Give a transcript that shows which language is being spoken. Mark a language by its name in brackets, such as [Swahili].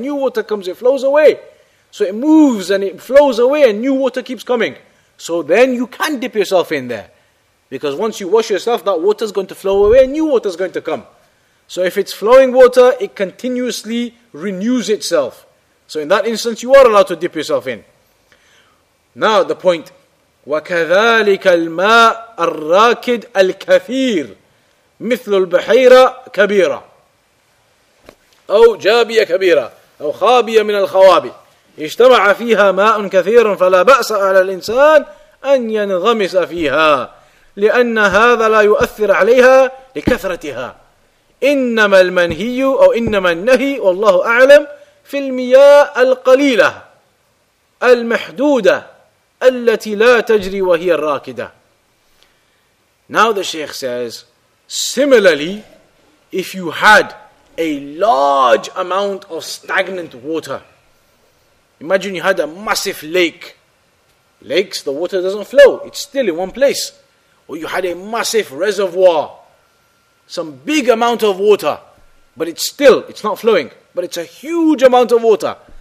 [English] New water comes, it flows away. So it moves and it flows away and new water keeps coming. So then you can dip yourself in there. Because once you wash yourself, that water is going to flow away and new water is going to come. So if it's flowing water, it continuously renews itself. So in that instance, you are allowed to dip yourself in. Now the point. [Arabic] وَكَذَلِكَ الْمَاءَ الرَّاكِدَ الْكَثِيرَ مِثْلُ الْبَحِيرَةِ كَبِيرَةِ أو جابية كبيرة أو خابية من الخوابي اجتمع فيها ماء كثير فلا بأس على الإنسان أن ينغمس فيها لأن هذا لا يؤثر عليها لكثرتها إنما المنهي أو إنما النهي والله أعلم في المياه القليلة المحدودة التي لا تجري وهي الراكدة. [English] Now the Shaykh says, similarly, if you had a large amount of stagnant water, imagine you had a massive lake. Lakes, the water doesn't flow, it's still in one place. Or you had a massive reservoir, some big amount of water, but it's not flowing, but it's a huge amount of water.